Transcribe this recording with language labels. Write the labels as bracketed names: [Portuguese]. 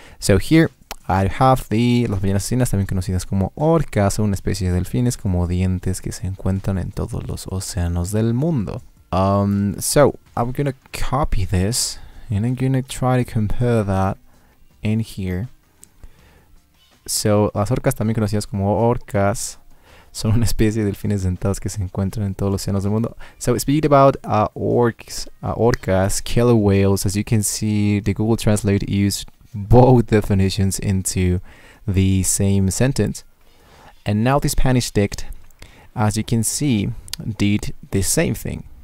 [English] So here I have the [Spanish] las ballenas sinas, también conocidas como orcas, una especie de delfines como dientes que se encuentran en todos los océanos del mundo. [English] So I'm gonna copy this and I'm gonna try to compare that in here. [Spanish] So las orcas, también conocidas como orcas, son una especie de delfines dentados que se encuentran en todos los océanos del mundo. [English] So speaking about orcas, killer whales, as you can see, the Google Translate used both definitions into the same sentence. And now the Spanish dict, as you can see, did the same thing.